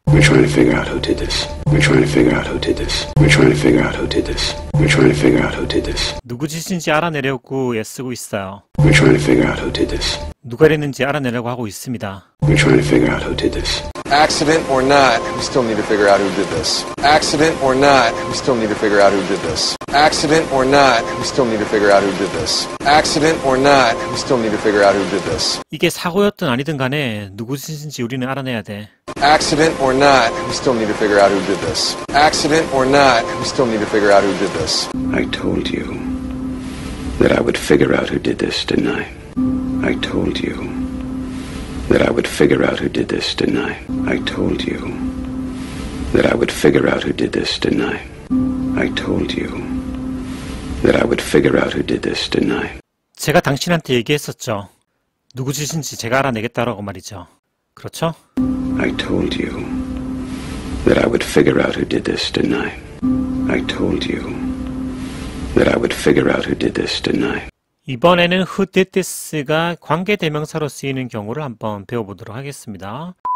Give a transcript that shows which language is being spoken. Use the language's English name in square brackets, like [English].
[English] We're trying to figure out who did this. We're trying to figure out who did this. We're trying to figure out who did this. We're trying to figure out who did this. [Korean] 누구 짓인지 알아내려고 애쓰고 있어요. [English] We're trying to figure out who did this. [Korean] 누가 했는지 알아내려고 하고 있습니다. [English] We're trying to figure out who did this. Accident or not, we still need to figure out who did this. Accident or not, we still need to figure out who did this. Accident or not, we still need to figure out who did this. Accident or not, we still need to figure out who did this. [Korean] 이게 사고였든 아니든 간에 누구 짓인지 우리는 알아내야 돼. [English] Accident or not, we still need to figure out who did this. Accident or not, we still need to figure out who did this. I told you that I would figure out who did this, didn't I? I told you that I would figure out who did this, didn't I? I told you that I would figure out who did this, didn't I? I told you that I would figure out who did this, didn't I? [Korean] 제가 당신한테 얘기했었죠. 누구 짓인지 제가 알아내겠다라고 말이죠. 그렇죠? [English] I told you that I would figure out who did this, didn't I? I told you that I would figure out who did this, didn't I? [Korean] 이번에는 [English] who did this [Korean] 가 관계 대명사로 쓰이는 경우를 한번 배워보도록 하겠습니다.